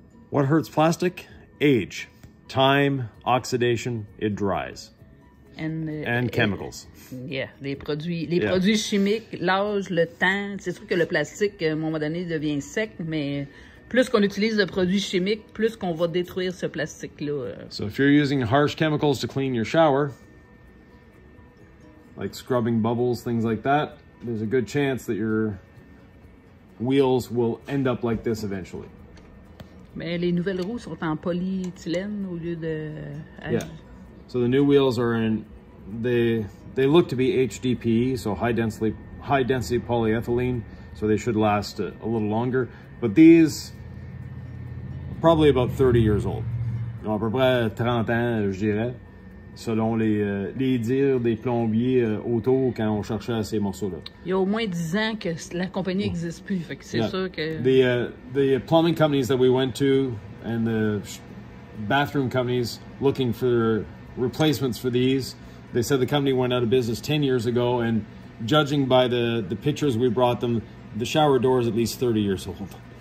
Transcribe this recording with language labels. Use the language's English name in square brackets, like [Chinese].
[English] What hurts plastic? Age, time, oxidation, it dries. And chemicals. [French] Yeah, les produits chimiques, l'âge, le temps. C'est sûr que le plastique, à un moment donné, devient sec, mais plus qu'on utilise de produits chimiques, plus qu'on va détruire ce plastique-là. [English] So if you're using harsh chemicals to clean your shower, like scrubbing bubbles, things like that, there's a good chance that your wheels will end up like this eventually. [French] Mais les nouvelles roues sont en polyéthylène au lieu de... [English] Yeah. So the new wheels are in... They look to be HDPE, so high density polyethylene, so they should last a little longer. But these are probably about 30 years old. [French] À peu près 30 ans, je dirais. Selon les dires des plombiers autour quand on cherchait ces morceaux-là. Il y a au moins 10 ans que la compagnie n'existe plus, fait que c'est sûr que... [English] The plumbing companies that we went to and the bathroom companies looking for replacements for these, they said the company went out of business 10 years ago, and judging by the pictures we brought them, the shower door is at least 30 years old.